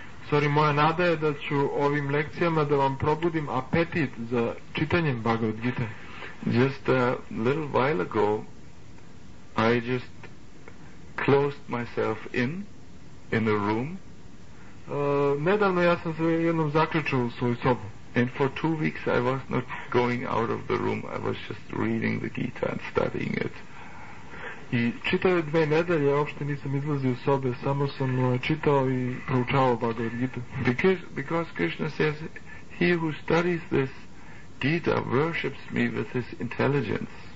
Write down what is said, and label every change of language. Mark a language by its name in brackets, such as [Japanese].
[Serbian] Sorry, moja nada je da ću ovim lekcijama da vam probudim apetit za čitanjem Bhagavad Gita. [English] Just a little while ago, I just closed myself in a room. [Serbian] Nedavno ja sam se jednom zaključio u svoju sobu. [English] And for 2 weeks I was not going out of the room. I was just reading the Gita and studying it. [Serbian] I čitao dve nedelje, uopšte nisam izlazio iz sobe, samo sam čitao i proučavao Bhagavad Gita. [English] Because Krishna says, he who studies this Gita worships me with his intelligence.